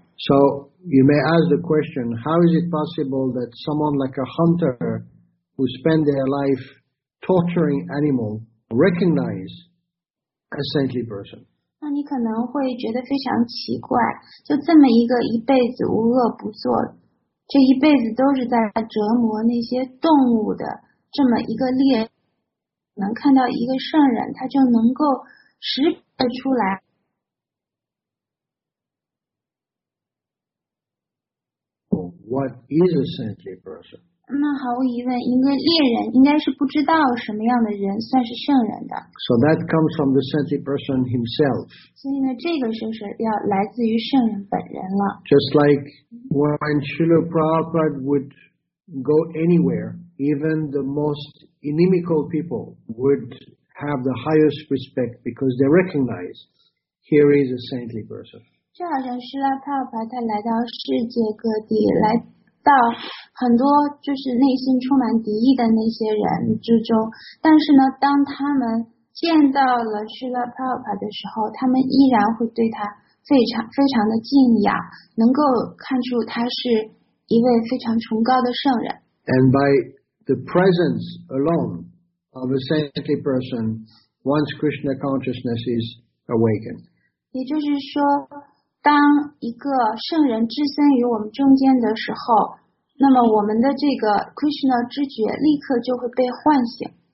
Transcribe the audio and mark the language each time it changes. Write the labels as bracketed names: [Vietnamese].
[English] So you may ask the question, how is it possible that someone like a hunter who spend their life torturing animal recognize a saintly person? [Chinese] 那你可能会觉得非常奇怪，就这么一个一辈子无恶不作，这一辈子都是在折磨那些动物的这么一个猎人，能看到一个圣人，他就能够识别出来。 [English] What is a saintly person? [Chinese] 那毫无疑问，一个猎人应该是不知道什么样的人算是圣人的。 [English] So that comes from the saintly person himself. [Chinese] 所以呢，这个就是要来自于圣人本人了。 [English] Just like when Srila Prabhupada would go anywhere, even the most inimical people would have the highest respect because they recognize here is a saintly person. [Chinese] 就好像是啦，帕帕他来到世界各地，来到很多就是内心充满敌意的那些人之中，但是呢，当他们见到了是啦帕帕的时候，他们依然会对他非常非常的敬仰，能够看出他是一位非常崇高的圣人。 [English] And by the presence alone of a saintly person, one's Krishna consciousness is awakened. [Chinese] 也就是说，当一个圣人置身于我们中间的时候，那么我们的这个 Krishna 知觉立刻就会被唤醒。